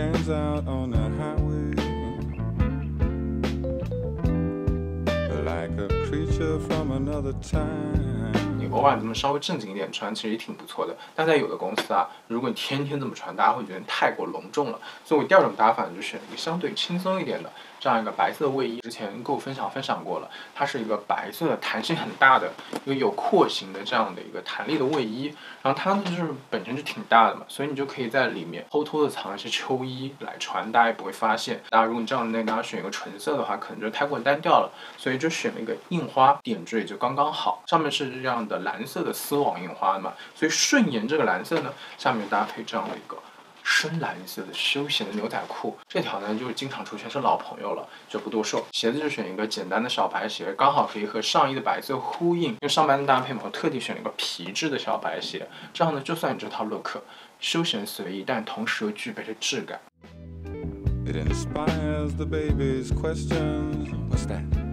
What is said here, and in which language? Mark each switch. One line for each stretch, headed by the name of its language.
English: Out on the highway, like a creature from another time.
Chinese: 偶尔这么稍微正经一点穿其实也挺不错的，但在有的公司啊，如果你天天这么穿，大家会觉得太过隆重了。所以我第二种搭法就选一个相对轻松一点的这样一个白色卫衣，之前跟我分享过了，它是一个白色的弹性很大的一个有廓形的这样的一个弹力的卫衣，然后它就是本身就挺大的嘛，所以你就可以在里面偷偷的藏一些秋衣来穿，大家也不会发现。当然如果你这样的内搭选一个纯色的话，可能就太过单调了，所以就选了一个印花点缀就刚刚好，上面是这样的蓝色的丝网印花嘛，所以顺沿这个蓝色呢，下面搭配这样的一个深蓝色的休闲的牛仔裤，这条呢就是经常出现是老朋友了，就不多说。鞋子就选一个简单的小白鞋，刚好可以和上衣的白色呼应，因为上班的搭配嘛，我特地选了一个皮质的小白鞋，这样呢就算你这套 look 休闲随意，但同时又具备着质感。
English: It inspires the baby's questions. What's that?